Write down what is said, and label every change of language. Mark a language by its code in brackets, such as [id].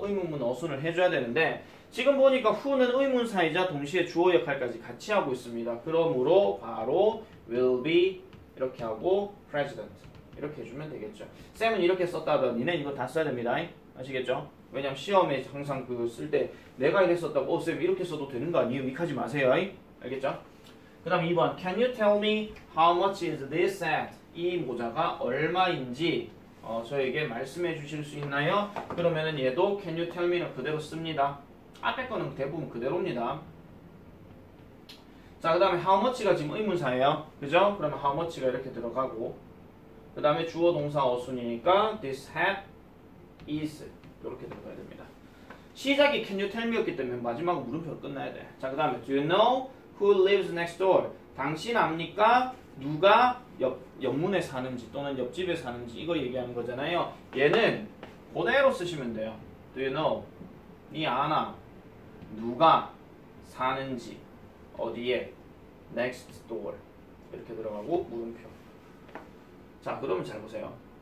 [ko] 의문문 어순을 해줘야 되는데 지금 보니까 who는 의문사이자 동시에 주어 역할까지 같이 하고 있습니다. 그러므로 바로 will be 이렇게 하고 president 이렇게 해주면 되겠죠. 쌤은 이렇게 썼다던 니네 이거 다 써야 됩니다. 아시겠죠? 왜냐면 시험에 항상 그 쓸 때 내가 이렇게 썼다고 쌤 이렇게 써도 되는 거 아니에요? 믹하지 마세요. 알겠죠? 그 다음 2번. [en] Can you tell me how much is this set? [ko] 이 모자가 얼마인지 저에게 말씀해 주실 수 있나요? 그러면은 얘도 [en] can you tell me [ko] 는 그대로 씁니다. 앞에 거는 대부분 그대로입니다. 자, 그 다음에 how much가 지금 의문사예요. 그죠? 그러면 how much가 이렇게 들어가고, 그 다음에 주어 동사 어순이니까 [en] this hat is [ko] 이렇게 들어가야 됩니다. 시작이 [en] can you tell me [ko] 였기 때문에 마지막 물음표로 끝나야 돼. 자, 그 다음에 [en] do you know who lives next door? [ko] 당신 압니까? 누가 옆문에 사는지 또는 옆집에 사는지 이거 얘기하는 거잖아요. 얘는 그대로 쓰시면 돼요. [en] Do you know? [ko] 니 아나? 누가 사는지 어디에? [en] Next door [ko] 이렇게 들어가고 물음표. 자, 그러면 잘 보세요.